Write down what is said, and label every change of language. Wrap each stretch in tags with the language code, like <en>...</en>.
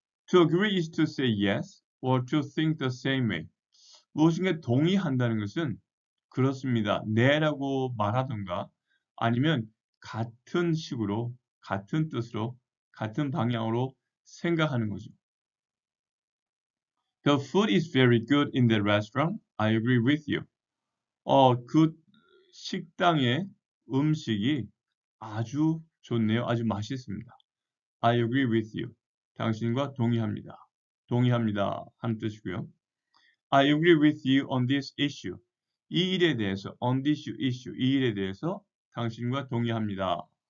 <en>To agree is to say yes or to think the same way.</en> <ko>무엇인가 동의한다는 것은 그렇습니다. 네라고 말하던가 아니면 같은 식으로, 같은 뜻으로, 같은 방향으로 생각하는 거죠.</ko> <en>The food is very good in the restaurant. I agree with you.</en> <ko>그 식당의 음식이 아주 좋네요. 아주 맛있습니다.</ko> <en>I agree with you.</en> <ko>당신과 동의합니다. 동의합니다. 하는 뜻이고요.</ko> <en>I agree with you on this issue.</en> <ko>이 일에 대해서,</ko> <en>on this issue,</en> <ko>이 일에 대해서 당신과 동의합니다.</ko>